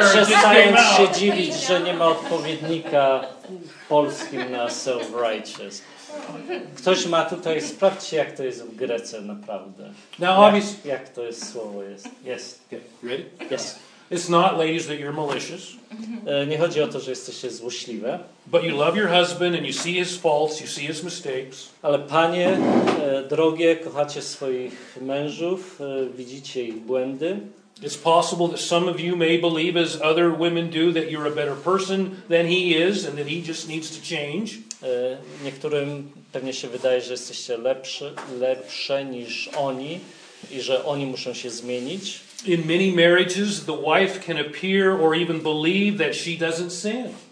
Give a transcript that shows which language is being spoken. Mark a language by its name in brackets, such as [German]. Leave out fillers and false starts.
[Polish] Przestając się dziwić, że nie ma odpowiednika polskim na self-righteous. Ktoś ma tutaj, sprawdźcie, jak to jest w Grece naprawdę. [English] Now, obviously, [Polish] jak to jest słowo jest. Yes. [English] Okay. Ready? Yes. It's not, ladies, that you're malicious. [Polish] Nie chodzi o to, że jesteście złośliwe. [English] But you love your husband and you see his faults, you see his mistakes. [Polish] Ale panie, drogie, kochacie swoich mężów, widzicie ich błędy. [English] It's possible that some of you may believe, as other women do, that you're a better person than he is and that he just needs to change. [Polish] Niektórym pewnie się wydaje, że jesteście lepsze niż oni i że oni muszą się zmienić. [English] In many marriages, the wife can appear or even believe that she doesn't sin.